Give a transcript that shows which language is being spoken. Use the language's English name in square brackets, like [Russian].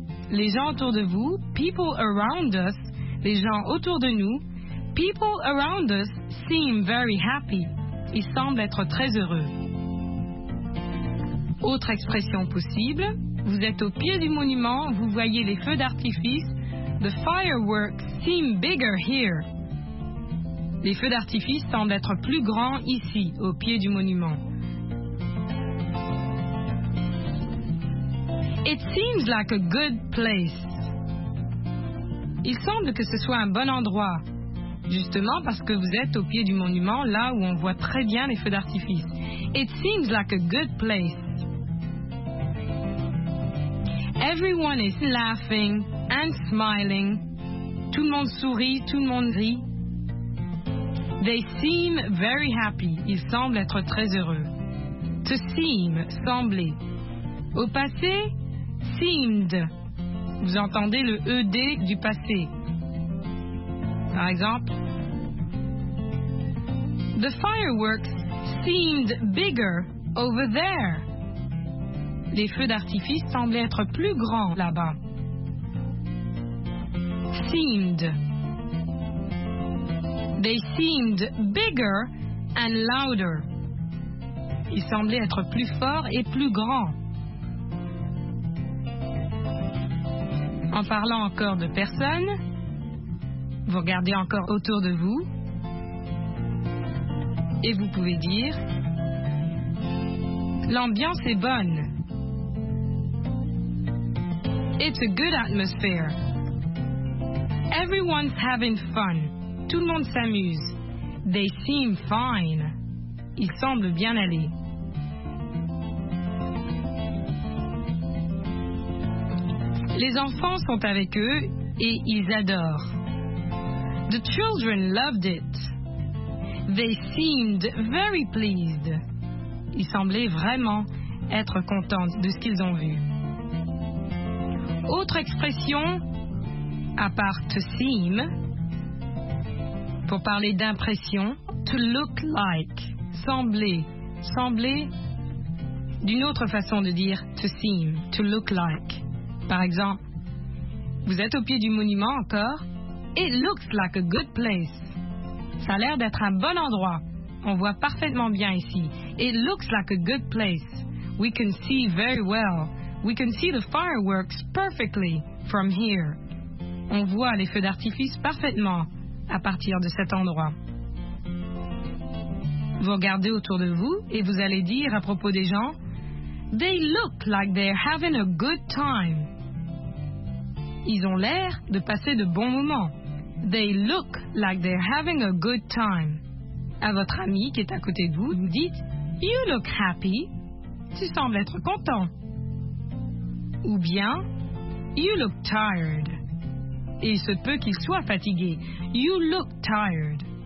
[French] Les gens autour de vous, [English] people around us, [French] les gens autour de nous, [English] people around us seem very happy. [French] Ils semblent être très heureux. Autre expression possible, vous êtes au pied du monument, vous voyez les feux d'artifice. [English] The fireworks seem bigger here. [French] Les feux d'artifice semblent être plus grands ici, au pied du monument. [English] It seems like a good place. [French] Il semble que ce soit un bon endroit, justement parce que vous êtes au pied du monument, là où on voit très bien les feux d'artifice. [English] It seems like a good place. Everyone is laughing and smiling. [French] Tout le monde sourit, tout le monde rit. [English] They seem very happy. [French] Ils semblent être très heureux. [English] To seem, [French] sembler. Au passé, seemed. Vous entendez le ED du passé. Par exemple, [English] the fireworks seemed bigger over there. [French] Les feux d'artifice semblaient être plus grands là-bas. [English] Seemed. They seemed bigger and louder. [French] Ils semblaient être plus forts et plus grands. En parlant encore de personnes, vous regardez encore autour de vous et vous pouvez dire l'ambiance est bonne. [English] It's a good atmosphere. Everyone's having fun. [French] Tout le monde s'amuse. [English] They seem fine. [French] Ils semblent bien aller. Les enfants sont avec eux et ils adorent. [English] The children loved it. They seemed very pleased. [French] Ils semblaient vraiment être contents de ce qu'ils ont vu. Autre expression, à part to seem, pour parler d'impression, to look like, sembler, sembler, d'une autre façon de dire to seem, to look like. Par exemple, vous êtes au pied du monument encore, [English] it looks like a good place. [French] Ça a l'air d'être un bon endroit, on voit parfaitement bien ici. [English] It looks like a good place, we can see very well. We can see the fireworks perfectly from here. [French] On voit les feux d'artifice parfaitement à partir de cet endroit. Vous regardez autour de vous et vous allez dire à propos des gens, [English] they look like they're having a good time. [French] Ils ont l'air de passer de bons moments. [English] They look like they're having a good time. [French] À votre ami qui est à côté de vous, vous dites, [English] you look happy. [French] Tu sembles être content. Ou bien, [English] you look tired. [French] Et il se peut qu'il soit fatigué. [English] You look tired.